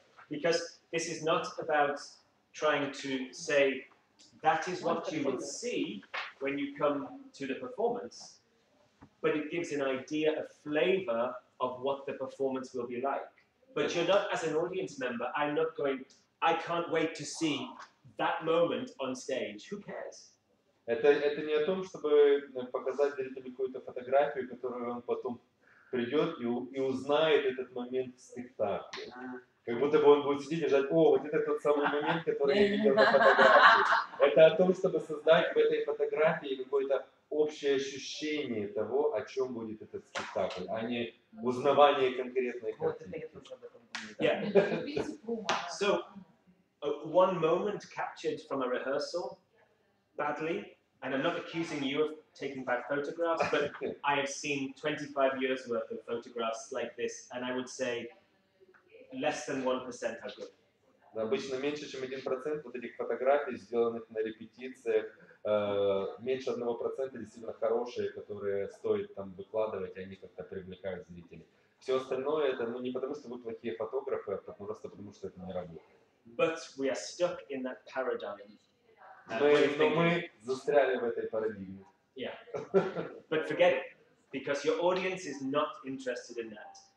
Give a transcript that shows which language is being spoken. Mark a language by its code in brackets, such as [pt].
[en] Because this is not about trying to say that is what you will see when you come to the performance, but it gives an idea, a flavor of what the performance will be like. But you're not, as an audience member, I'm not going, I can't wait to see that moment on stage, who cares? [ru] Это не о том, чтобы показать зрителю какую-то фотографию, которую он потом придет и узнает этот момент в спектакле. Как будто бы он будет сидеть и ждать, о, вот это тот самый момент, который я видел на фотографии. Это о том, чтобы создать в этой фотографии какое-то общее ощущение того, о чем будет этот спектакль, а не узнавание конкретной картинки. [en] One moment captured from a rehearsal, badly, and I'm not accusing you of taking bad photographs, but I have seen 25 years worth of photographs like this, and I would say less than 1% are good. [ru] Обычно меньше чем 1% вот этих фотографий, сделанных на репетициях, меньше 1% действительно хорошие, которые стоит там выкладывать, и они как-то привлекают зрителей. Все остальное это, ну не потому что вы плохие фотографы, а просто потому что это не работает. [en] But we are stuck in that paradigm. [ru] Мы застряли в этой парадигме. [en] Yeah. But forget it, because your audience is not interested in that.